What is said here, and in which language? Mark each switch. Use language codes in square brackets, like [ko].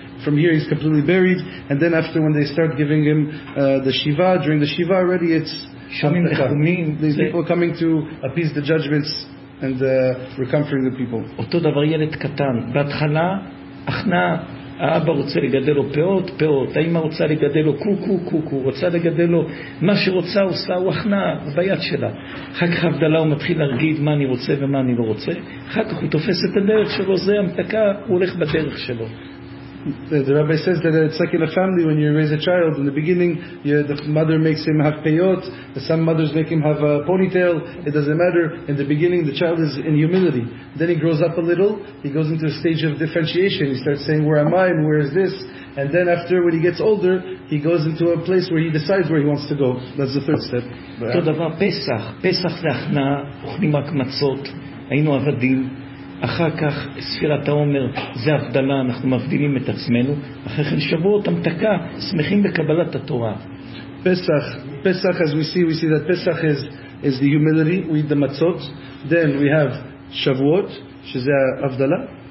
[en] From here he's completely buried, and then after, when they start giving him the Shiva, during the Shiva already it's Shamim, these people are coming to appease the judgments and recomforting the people. [he] אותו דבר ילד קטן, בהתחלה אחנה, האבא רוצה לגדל לו פאות, פאות, האמא רוצה לגדל לו קוקו, קוקו, רוצה לגדל לו מה שרוצה, עושה, הוא הכנע ביד שלה. אחר כך הבדלה הוא מתחיל להרגיד מה אני רוצה ומה אני לא רוצה, אחר כך הוא תופס את הדרך שלו, זה המתקה, הוא הולך בדרך שלו. [en] The rabbi says that it's like in a family when you raise a child. In the beginning, the mother makes him have peyot. Some mothers make him have a ponytail. It doesn't matter. In the beginning, the child is in humility. Then he grows up a little. He goes into a stage of differentiation. He starts saying, where am I and where is this? And then after, when he gets older, he goes into a place where he decides where he wants to go. That's the third step. [he] אותו דבר, פסח. פסח זה הכנעה, אוכלים רק מצות, היינו עבדים. אחר כך ספירת העומר זה הבדלה, אנחנו מבדילים את עצמנו, אחרי כן שבועות המתקה, שמחים בקבלת התורה. [en] פסח, as we see that פסח is the humility, we eat the matzot, then we have שבועות, [he] שזה הבדלה,